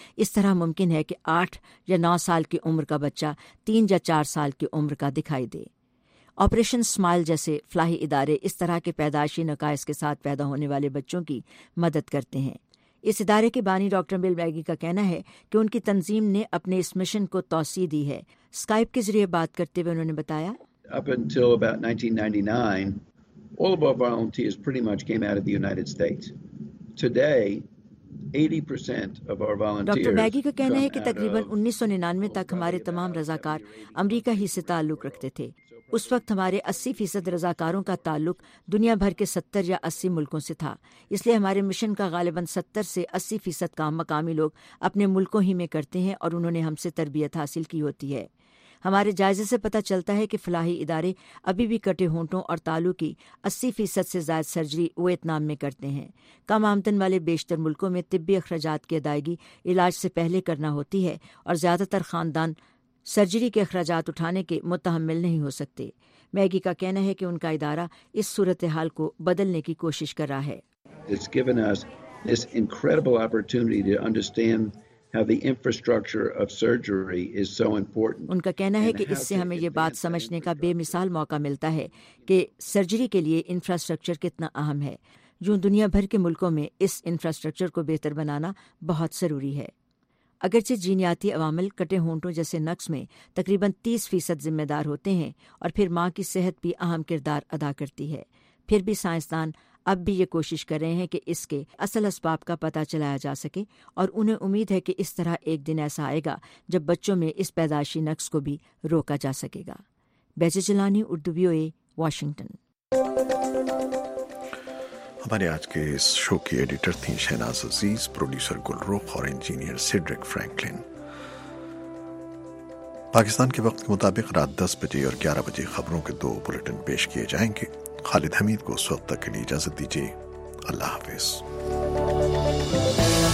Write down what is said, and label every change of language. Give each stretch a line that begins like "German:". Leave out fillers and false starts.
Urdu: اس طرح ممکن ہے کہ 8 یا 9 سال کی عمر کا بچہ 3 یا 4 سال کی عمر کا دکھائی دے. آپریشن اسمائل جیسے فلاحی ادارے اس طرح کے پیدائشی نقائص کے ساتھ پیدا ہونے والے بچوں کی مدد کرتے ہیں. اس ادارے کے بانی ڈاکٹر بل میگی کا کہنا ہے کہ ان کی تنظیم نے اپنے اس مشن کو توسیع دی ہے. اسکائپ کے ذریعے بات کرتے ہوئے انہوں نے بتایا,
English: Up until about 1999, all of our volunteers pretty much came out of the United States. Today, 80% of our volunteers.
Urdu: Doctor Maggi کا کہنا ہے کہ تقریباً 1999 تک ہمارے تمام رضاکار امریکہ ہی سے تعلق رکھتے تھے. اس وقت ہمارے 80% رضاکاروں کا تعلق دنیا بھر کے 70 یا 80 ملکوں سے تھا. اس لیے ہمارے مشن کا غالباً 70 سے 80% کام مقامی لوگ اپنے ملکوں ہی میں کرتے ہیں اور انہوں نے ہم سے تربیت حاصل کی ہوتی ہے. ہمارے جائزے سے پتہ چلتا ہے کہ فلاحی ادارے ابھی بھی کٹے ہونٹوں اور تالو کی 80% سے زائد سرجری ویتنام میں کرتے ہیں. کم آمدن والے بیشتر ملکوں میں طبی اخراجات کی ادائیگی علاج سے پہلے کرنا ہوتی ہے اور زیادہ تر خاندان سرجری کے اخراجات اٹھانے کے متحمل نہیں ہو سکتے. میگی کا کہنا ہے کہ ان کا ادارہ اس صورتحال کو بدلنے کی کوشش کر رہا ہے.
English: It's given us this incredible opportunity to understand how the infrastructure of surgery is so important.
Urdu: Unka kehna hai ki isse hame ye baat samajhne ka bemisal mauka milta hai ki surgery ke liye infrastructure kitna aham hai. Jo duniya bhar ke mulkon mein is infrastructure ko behtar banana bahut zaruri hai. اگرچہ جینیاتی عوامل کٹے ہونٹوں جیسے نقص میں تقریباً 30% ذمہ دار ہوتے ہیں اور پھر ماں کی صحت بھی اہم کردار ادا کرتی ہے، پھر بھی سائنسدان اب بھی یہ کوشش کر رہے ہیں کہ اس کے اصل اسباب کا پتہ چلایا جا سکے، اور انہیں امید ہے کہ اس طرح ایک دن ایسا آئے گا جب بچوں میں اس پیدائشی نقص کو بھی روکا جا سکے گا. بیجے چلانی، اردو بیو اے، واشنگٹن. ہمارے آج کے اس شو کی ایڈیٹر تھیں شہناز عزیز، پروڈیوسر گلرخ اور انجینئر سیڈرک فرینکلن. پاکستان کے وقت کے مطابق رات 10 بجے اور 11 بجے خبروں کے 2 بلٹن پیش کیے جائیں گے. خالد حمید کو اس وقت تک کے لیے اجازت دیجیے. اللہ حافظ.